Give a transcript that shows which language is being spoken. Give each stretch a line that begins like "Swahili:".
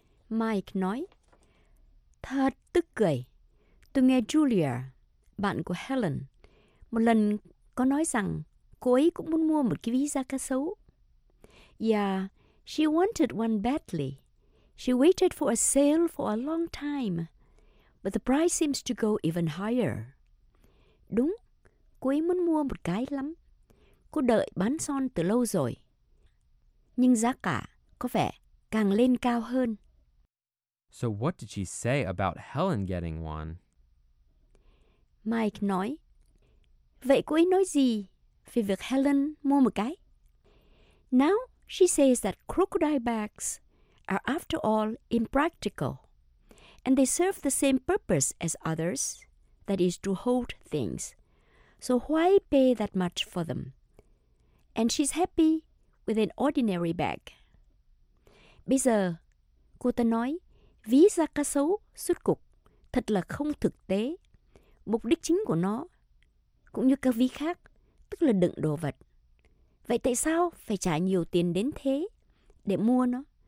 Vietnamese: Mike nói, thật tức cười. Tôi nghe Julia, bạn của Helen, một lần có nói rằng cô ấy cũng muốn mua một cái ví da cá sấu.
English: Yeah, she wanted one badly. She waited for a sale for a long time. But the price seems to go even higher.
Vietnamese: Đúng, cô ấy muốn mua một cái lắm. Cô đợi bán son từ lâu rồi. Nhưng giá cả có vẻ càng lên cao hơn.
English: So what did she say about Helen getting one?
Vietnamese: Mike nói, vậy cô ấy nói gì về việc Helen mua một cái?
English: Now she says that crocodile bags are after all impractical and they serve the same purpose as others, that is to hold things. So why pay that much for them? And she's happy with an ordinary bag.
Vietnamese: Bây giờ, cô ta nói, ví da cá sấu suốt cục thật là không thực tế. Mục đích chính của nó, cũng như các ví khác, tức là đựng đồ vật. Vậy tại sao phải trả nhiều tiền đến thế để mua nó?